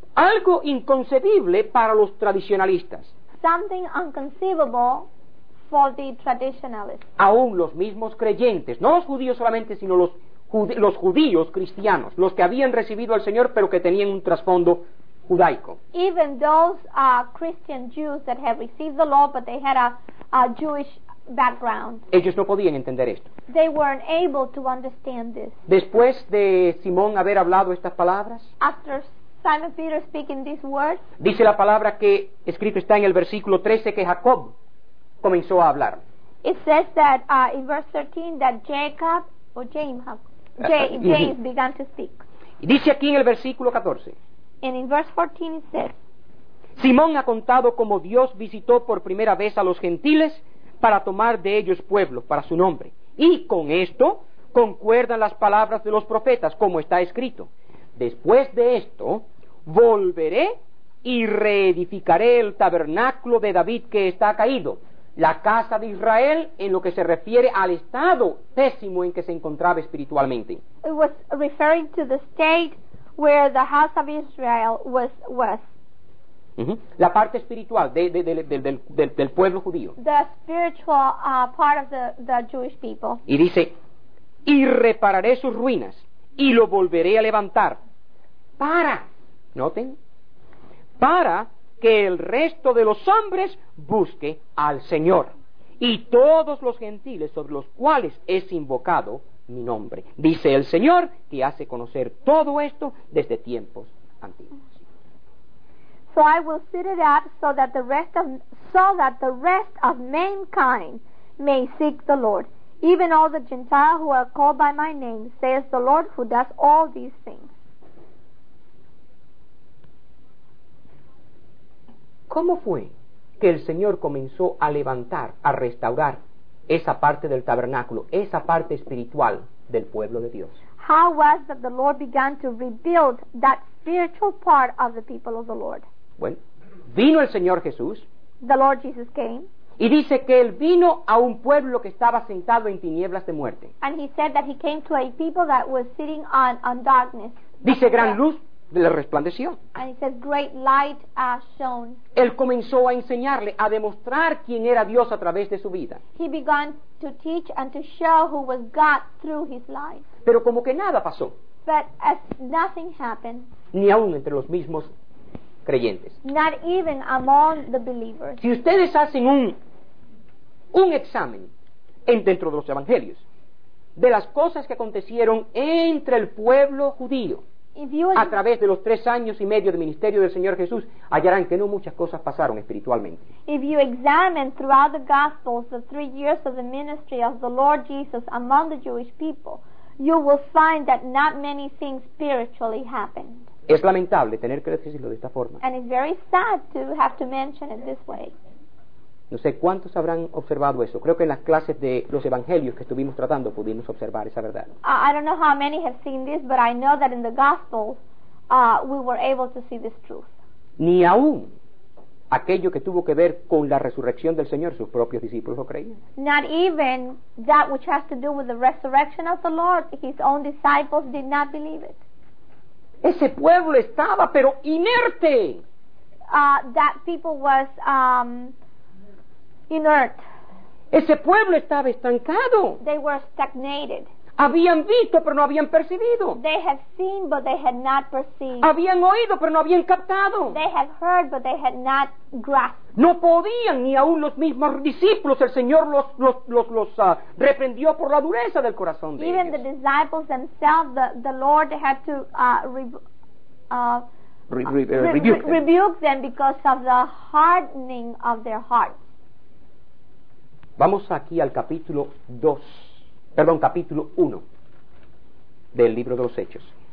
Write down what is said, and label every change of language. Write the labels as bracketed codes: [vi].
[es] Algo inconcebible para los tradicionalistas. [en] Something inconceivable for the traditionalists. [es] Aún los mismos creyentes, no los judíos solamente, sino los judíos cristianos, los que habían recibido al Señor pero que tenían un trasfondo judaico. [en] Even those Christian Jews that had received the law but they had a Jewish background. [es] Ellos no podían entender esto. [en] They weren't able to understand this. [es] Después de Simón haber hablado estas palabras, [en] after Simon Peter speaking these words, [es] dice la palabra que escrito está en el versículo 13 que Jacob comenzó a hablar. [en] It says that in verse 13 that Jacob or James began to speak. [es] Y dice aquí en el versículo 14. [en] And in verse 14 it says, [es] Simón ha contado cómo Dios visitó por primera vez a los gentiles para tomar de ellos pueblo para su nombre. Y con esto concuerdan las palabras de los profetas como está escrito. Después de esto, volveré y reedificaré el tabernáculo de David que está caído, la casa de Israel en lo que se refiere al estado pésimo en que se encontraba espiritualmente. [en] It was referring to the state where the house of Israel was. [es] La parte espiritual del pueblo judío. [en] The spiritual part of the Jewish people. [es] Y dice, y repararé sus ruinas y lo volveré a levantar. Para, noten, para que el resto de los hombres busque al Señor y todos los gentiles sobre los cuales es invocado mi nombre, dice el Señor, que hace conocer todo esto desde tiempos antiguos. [en] So I will set it up so that the rest of mankind may seek the Lord, even all the Gentiles who are called by my name, says the Lord, who does all these things. [es] ¿Cómo fue que el Señor comenzó a levantar, a restaurar esa parte del tabernáculo, esa parte espiritual del pueblo de Dios? [en] How was that the Lord began to rebuild that spiritual part of the people of the Lord? [es] Bueno, vino el Señor Jesús. [en] The Lord Jesus came. [es] Y dice que él vino a un pueblo que estaba sentado en tinieblas de muerte. [en] And he said that he came to a people that was sitting on darkness. [es] Dice gran luz le resplandeció. [en] And he said great light shone. [es] Él comenzó a enseñarle, a demostrar quién era Dios a través de su vida. [en] He began to teach and to show who was God through his life. [es] Pero como que nada pasó. [en] But as nothing happened. [es] Ni aun entre los mismos creyentes. [en] Not even among the believers. [es] Si ustedes hacen un examen en dentro de los evangelios de las cosas que acontecieron entre el pueblo judío a través de los 3 años y medio de ministerio del Señor Jesús, hallarán que no muchas cosas pasaron espiritualmente. [en] If you examine throughout the Gospels the 3 years of the ministry of the Lord Jesus among the Jewish people, you will find that not many things spiritually happened. [es] Es lamentable tener que decirlo de esta forma. [en] And it's very sad to have to mention it this way. [es] No sé cuántos habrán observado eso. Creo que en las clases de los evangelios que estuvimos tratando pudimos observar esa verdad. [en] I don't know how many have seen this, but I know that in the Gospels we were able to see this truth. [es] Ni aún aquello que tuvo que ver con la resurrección del Señor, sus propios discípulos lo creían. [en] Not even that which has to do with the resurrection of the Lord, his own disciples did not believe it. [es] Ese pueblo estaba, pero inerte. [en] That people was inert. [es] Ese pueblo estaba estancado. [en] They were stagnated. [es] Habían visto, pero no habían percibido. [en] They had seen, but they had not perceived. [es] Habían oído, pero no habían captado. [en] They had heard, but they had not grasped. [es] No podían, ni aun los mismos discípulos, el Señor los reprendió por la dureza del corazón de ellos. [en] Even the disciples themselves, the Lord had to rebuke them because of the hardening of their hearts. [es] Vamos aquí al capítulo 2. Perdón, capítulo 1 del libro de los Hechos.